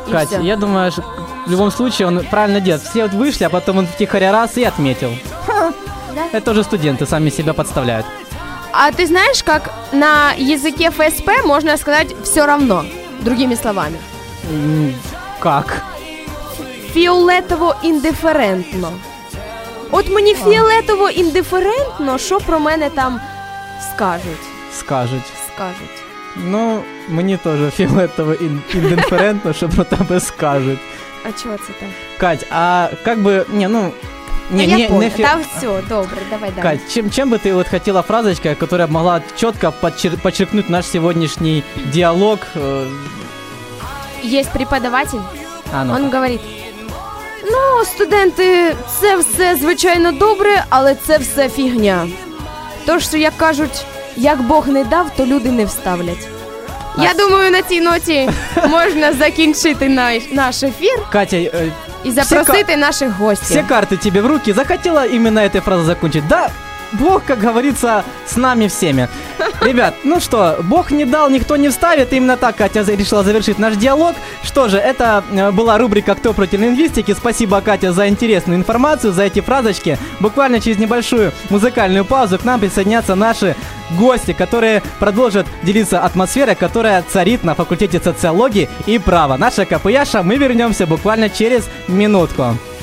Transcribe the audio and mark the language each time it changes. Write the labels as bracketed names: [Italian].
[Russian] Катя, я думаю, в любом случае он правильно делает. Все вот вышли, а потом он втихаря раз и отметил. Да? Это уже студенты сами себя подставляют. А ты знаешь, как на языке ФСП можно сказать «все равно», другими словами? Как? [Ukrainian] Фіолетово індиферентно. От мені фіолетово індиферентно, що про мене там скажуть? Скажуть. Ну, мені теж фіолетово індиферентно, що про тебе скажуть. А чого це там? Кать, а як би, ні, ну... [Russian] Не, ну, я не понял. Там все, добре, давай, давай. Кать, чем бы ты вот хотела фразочка, которая могла четко подчеркнуть наш сегодняшний диалог? Есть преподаватель. А, ну, он так [Ukrainian] говорит: ну, студенты, це все, звичайно, добре, але це все фігня. То, що, як кажуть, як Бог не дав, то люди не вставлять. Я думаю, на цій ноті можна закінчити наш ефір. Катя, і запросити наших гостей. Все карти тобі в руки. Захотіла іменно цю фразу закінчити. Да, Бог, як говориться, з нами всіми. Ребят, ну що, Бог не дав, ніхто не вставить. Іменно так Катя вирішила завершити наш діалог. Що ж, це була рубрика «Хто проти лінгвістики?». Спасибо, Катя, за цікаву інформацію, за ці фразочки. [Russian] Буквально через небольшую музикальну паузу к нам присоединяться наші гості, которые продолжат делиться атмосферой, которая царит на факультете социологии и права. Наша КПЯша, мы вернемся буквально через минутку.